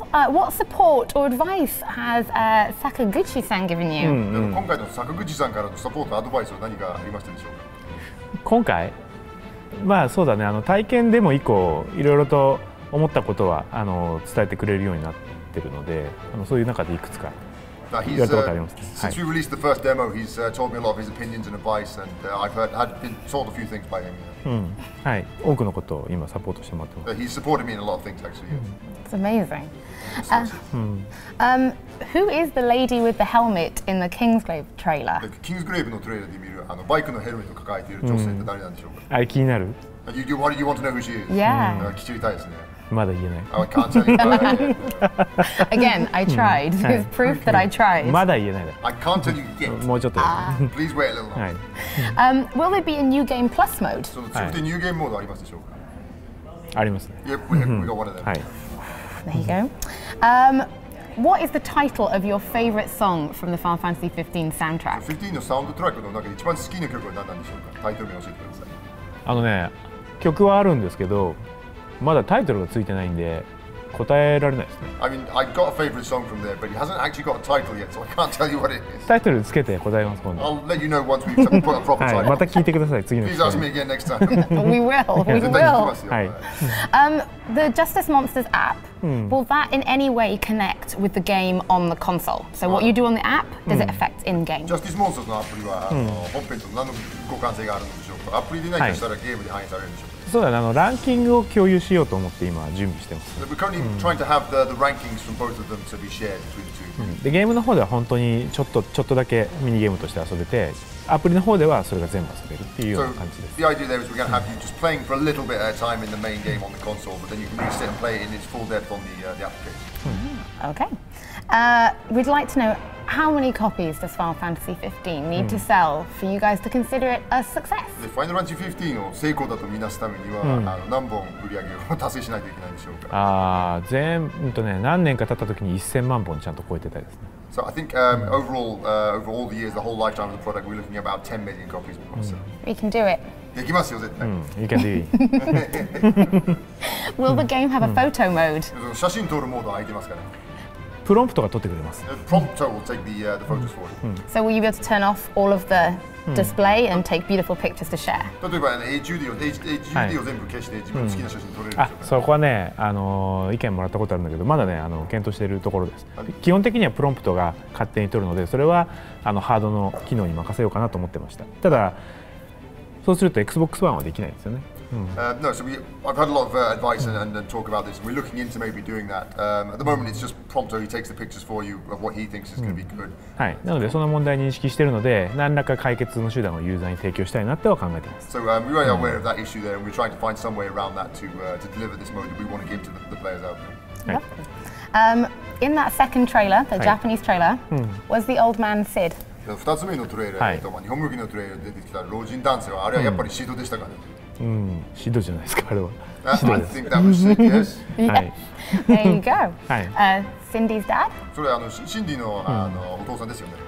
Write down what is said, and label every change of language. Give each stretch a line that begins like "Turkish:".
English: What support or advice has Sakaguchi-san given you?
Japanese: 今回の Sakaguchi-san からのサポートアドバイスは何かありましたでしょうか？今回、まあそうだね、体験デモ以降いろいろと思ったことは伝えてくれるようになってるので、そういう中でいくつかやったことありますね。
English: Since we released the first demo, he's told me a lot of his opinions and advice, and I've had been told a few things by him.
Japanese: はい、多くのことを今サポートしてもらってます。
English: He's supported me in a lot of things actually. It's amazing. Who is the lady with the helmet in the Kingsgrave trailer?
Japanese: The Kingsgrave のトレーラーで見るバイクのヘルメットを抱えている女性って誰なんでしょうか？あれ気になる？
English: You want to know who she is? Yeah.
Japanese: 聞きたいですね。まだ言えない。
English: I can't tell you. Again, I tried. There's proof that I tried.
Japanese: まだ言えない。
English: I can't tell you yet.
Japanese: もうちょっと。
English: Please wait a little longer. Will there be a new game plus mode?
Japanese: その続いてニューゲームモードありますでしょうか？ありますね。
English: Yep, we got one of them.
Japanese: はい。
English: There you go. What is the title of your favorite song from the Final Fantasy 15 soundtrack?
Japanese: 15のサウンドトラックの中で一番好きな曲は何なんでしょうか？タイトル名教えてください。曲はあるんですけど、まだタイトルがついてないんで答えられないですね。
English: I mean, I got a favorite song from there, but it hasn't actually got a title yet, so I can't tell you what it is.
Japanese: タイトルつけて答えます、今度。
English: I'll let you know once we've put a proper title.
Japanese: はい、また聞いてください、次の
English: Please ask me again next time. We will, we will.
Japanese: 絶対聞きますよ。はい。
English: The Justice Monsters app, will that in any way connect with the game on the console? So what you do on the app, does it affect in-game?
Japanese: Justice Monsters のアプリは本編と何の互換性があるのでしょうか？アプリでないとしたらゲームに反映されるんでしょうか？そうだね、ランキングを共有しようと思って今準備してます。
English: We're currently trying to have the rankings from both of them to be shared between the two.
Japanese: で、ゲームの方では本当にちょっとだけミニゲームとして遊べて、アプリの方ではそれが全部遊べるっていうような感じです。
English: So, the idea there is we're going to have you just playing for a little bit at a time in the main game on the console, but then you can just sit and play in its full depth on the application. Okay. We'd like to know how many copies does Final Fantasy 15 need to sell for you guys to consider it a success?
Japanese: The Final Fantasy 15 を成功だと見なすためには、何本売り上げを達成しないといけないでしょうか？何年か経った時に1000万本ちゃんと超えてたりですね。
English: So I think overall, over all the years, the whole lifetime of the product, we're looking at about 10 million copies. We can do it.
Japanese: できますよ、絶対。
English: You can do it. Will the game have a photo mode?
Japanese: 写真撮るモード空いてますかね。プロンプトが撮ってくれます。プロンプトが撮ってくれます。プロンプトが撮ってくれます。
English: So will you be able to turn off all of the display and take beautiful pictures to share?
Japanese: 例えば、HUDを全部消して自分の好きな写真撮れるでしょうか。あ、そこはね、意見もらったことあるんだけど、まだね、検討しているところです。基本的にはプロンプトが勝手に撮るので、それはハードの機能に任せようかなと思ってました。ただ、そうすると Xbox One はできないですよね。
English: No, so I've had a lot of advice and talk about this, and we're looking into maybe doing that. At the moment, it's just Prompto, he takes the pictures for you of what he thinks is going to be good.
Japanese: はい、なのでその問題認識しているので、何らか解決の手段をユーザーに提供したいなっては考えています。
English: So we are aware of that issue there, and we're trying to find some way around that to deliver this mode that we want to give to the players out there. In that second trailer, the Japanese trailer, was the old man Sid?
Japanese: 2つ目のトレーラーと、日本向きのトレーラーで出てきた老人男性は、あれはやっぱりシードでしたかね。シドじゃないですか、あれは。シドです。
English: There you go. Cindy's dad?
Japanese: それはシンディのお父さんですよね。